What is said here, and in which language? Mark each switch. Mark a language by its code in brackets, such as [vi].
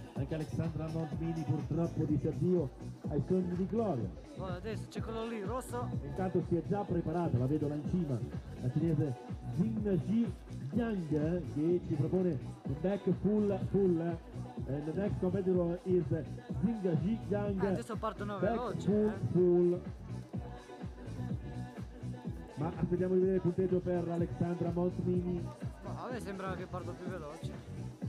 [it] Anche Alexandra Montmini purtroppo dice addio ai sogni di gloria. Guarda, adesso c'è quello lì, rosso. Intanto si è già preparata, la vedo là in cima, la cinese Jin Ji Yang, che ci propone un back full. [en] And the next competitor is Jing Ji Yang. [it] Adesso partono veloce. Full. Ma aspettiamo di vedere il punteggio per Alexandra Montmini. Ma a me sembra che parto più veloce.